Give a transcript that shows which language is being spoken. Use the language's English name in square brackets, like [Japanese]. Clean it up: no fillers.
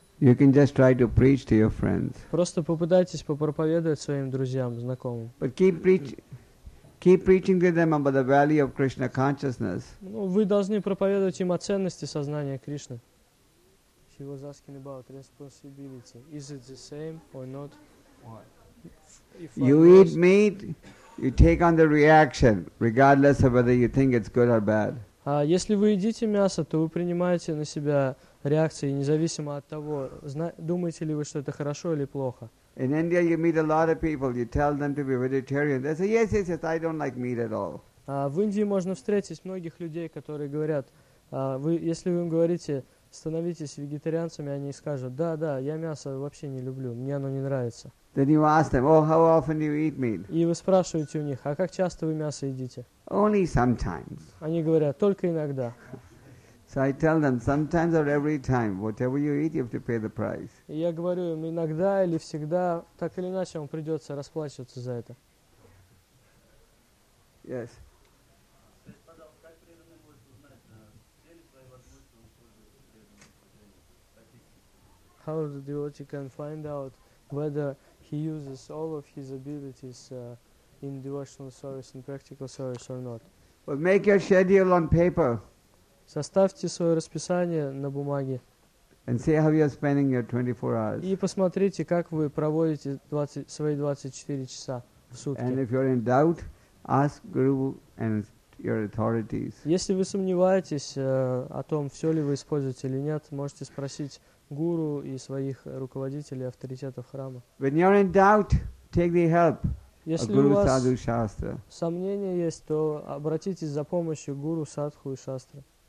[English] You can just try to preach to your friends. [Russian] Просто попытайтесь попроповедовать своим друзьям, знакомым. [English] But keep preaching to them about the value of Krishna consciousness. [Russian] Ну, вы должны проповедовать им о ценности сознания Кришны. [English] She was asking about responsibility. Is it the same or not? You eat meat, you take on the reaction, regardless of whether you think it's good or bad. [Russian] Если вы едите мясо, то вы принимаете на себя реакции, независимо от того, думаете ли вы, что это хорошо или плохо. [English] In India, you meet a lot of people. You tell them to be vegetarian. They say, "Yes, yes, yes. I don't like meat at all." [Russian] В Индии можно встретить многих людей, которые говорят, вы, если вы им говорите, становитесь вегетарианцами, они скажут, да, да, я мясо вообще не люблю, мне оно не нравится. [English] Then you ask them, "Oh, how often do you eat meat?" [Russian] И вы спрашиваете у них, а как часто вы мясо едите? [English] Only sometimes. [Russian] Они говорят, только иногда. [English] So I tell them, sometimes or every time, whatever you eat, you have to pay the price. [Russian] Я говорю им иногда или всегда, так или иначе, вам придется расплачиваться за это. [English] Yes. How the devotee can find out whether he uses all of his abilities in devotional service, in practical service or not? Well, make your schedule on paper. [Russian] Составьте свое расписание на бумаге. [English] And see how you're spending your 24 hours. [Russian] И посмотрите, как вы проводите 20, свои 24 часа в сутки. [English] And if you're in doubt, ask Guru and your authorities. [Russian] Если вы сомневаетесь о том, все ли вы используете или нет, можете спросить Гуру и своих руководителей, авторитетов храма. [English] When you're in doubt, take the help. [Russian] Если Guru, у вас Sadhu, Shastra. Сомнения есть, то обратитесь за помощью Гуру, Садху и Шастры.